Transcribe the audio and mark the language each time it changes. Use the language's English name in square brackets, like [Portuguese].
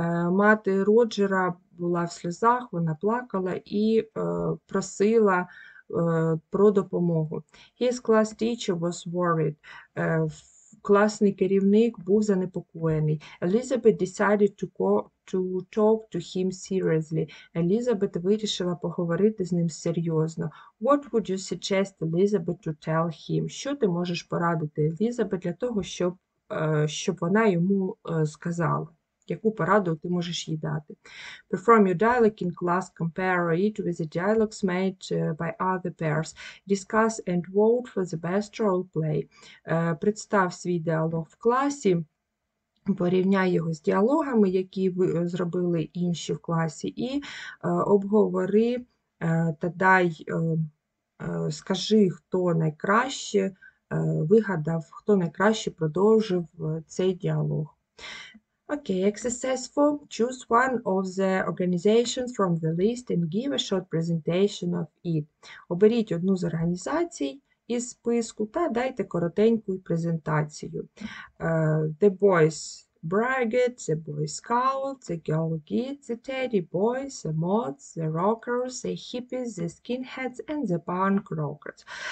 [Ukrainian] Мати Роджера була в сльозах, вона плакала і просила про допомогу. [English] His class teacher was worried. [Ukrainian] Класний керівник був занепокоєний. [English] Elizabeth decided to talk to him seriously. [Ukrainian] Елізабет вирішила поговорити з ним серйозно. [English] What would you suggest Elizabeth to tell him? [Ukrainian] Що ти можеш порадити Елізабет для того, щоб вона йому сказала? Яку пораду ти можеш їй дати? [English] Perform your dialogue in class, compare it with the dialogues made by other pairs. Discuss and vote for the best role play. [Ukrainian] Представ свій діалог в класі, порівняй його з діалогами, які ви зробили інші в класі, і обговори та дай, скажи, хто найкраще вигадав, хто найкраще продовжив цей діалог. [English] Okay, exercise 4. Choose one of the organizations from the list and give a short presentation of it. [Ukrainian] Оберіть одну з організацій із списку та дайте коротеньку презентацію. [English] The boys bragged, the boys scowled, the girl geeked, the teddy boys, the mods, the rockers, the hippies, the skinheads and the punk rockers.